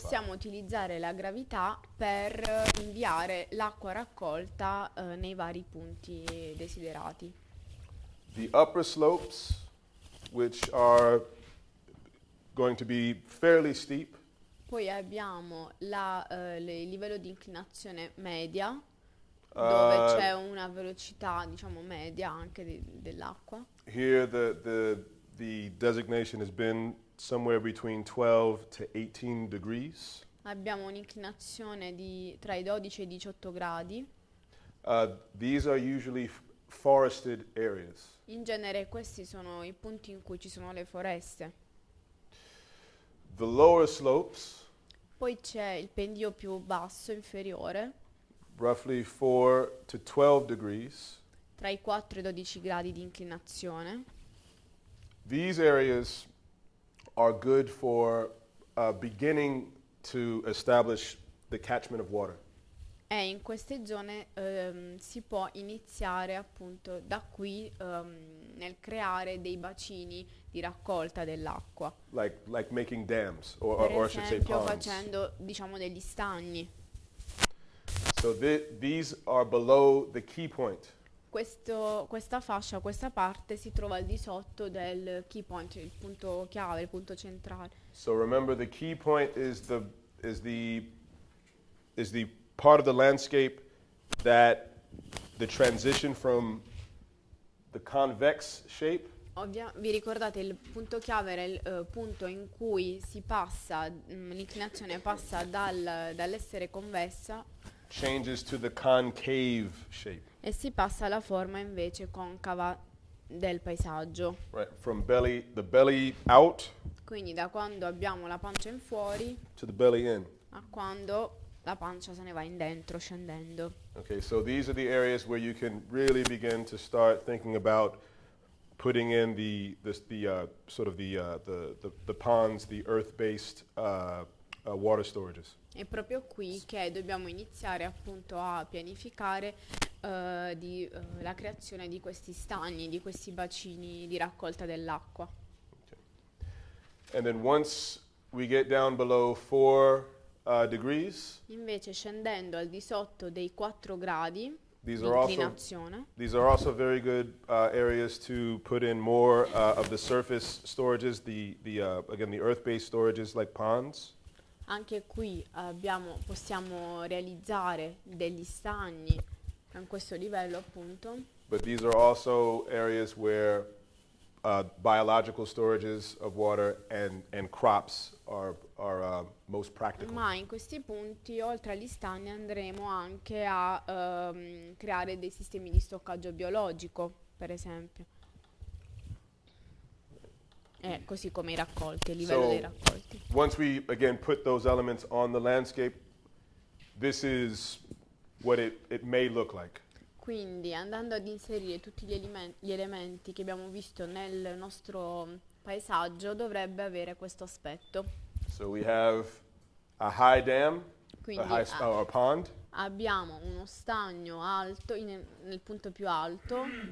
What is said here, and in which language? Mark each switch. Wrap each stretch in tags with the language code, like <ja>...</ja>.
<it>Possiamo utilizzare la gravità per inviare l'acqua raccolta nei vari punti desiderati.</it> <en>The upper slopes, which are going to be fairly steep.</en> <it>Poi abbiamo il livello di inclinazione media, dove c'è una velocità, diciamo, media anche dell'acqua.</it> <en>Here the designation has been somewhere between 12 to 18 degrees.</en> <it>Abbiamo un'inclinazione di tra i 12 e i 18 gradi.</it> <en>These are usually forested areas.</en> <it>In genere questi sono i punti in cui ci sono le foreste.</it> <en>The lower slopes.</en> <it>Poi c'è il pendio più basso, inferiore.</it> <en>Roughly 4 to 12 degrees.</en> <it>Tra i 4 e 12 gradi di inclinazione.</it> <en>These areas are good for beginning to establish the catchment of water.</en> <it>E in queste zone si può iniziare appunto da qui nel creare dei bacini di raccolta dell'acqua.</it> <en>Like making dams or</en> <it>esempio,</it> <en>I should say ponds.</en> <it>Facendo diciamo degli stagni.</it> <en>So these are below the key point.</en> <it>Questa fascia, questa parte si trova al di sotto del key point, il punto chiave, il punto centrale.</it> <en>So remember the key point is the part of the landscape that the transition from the convex shape.</en> <it>Vi ricordate il punto chiave era il punto in cui si passa l'inclinazione passa dall'essere convessa.</it> <en>Changes to the concave shape.</en> <it>E si passa alla forma invece concava del paisaggio.</it> <en>Right, from belly, the belly out.</en> <it>Quindi da quando abbiamo la pancia in fuori.</it> <en>To the belly in.</en> <it>A quando la pancia se ne va in dentro scendendo.</it> <en>Okay, so these are the areas where you can really begin to start thinking about putting in the ponds, the earth-based water storages.</en> <it>È proprio qui che dobbiamo iniziare appunto a pianificare la creazione di questi stagni, di questi bacini di raccolta dell'acqua.</it> <en>Okay. And then once we get down below 4 degrees.</en> <it>Invece scendendo al di sotto dei 4 gradi inclinazione.</it> <en>These are also very good areas to put in more of the surface storages, the earth-based storages like ponds.</en> <it>Anche qui possiamo realizzare degli stagni a questo livello appunto.</it> <en>But these are also areas where biological storages of water and crops are most practical.</en> <it>Ma in questi punti, oltre agli stagni, andremo anche a creare dei sistemi di stoccaggio biologico, per esempio. Così come i raccolti, il livello dei raccolti.</it> <en>Once we again put those elements on the landscape, this is what it may look like.</en> <it>Quindi andando ad inserire tutti gli elementi che abbiamo visto nel nostro paesaggio dovrebbe avere questo aspetto.</it> <en>So we have a high dam,</en> <it>quindi</it> <en>a pond.</en> <it>Abbiamo uno stagno alto nel punto più alto.</it>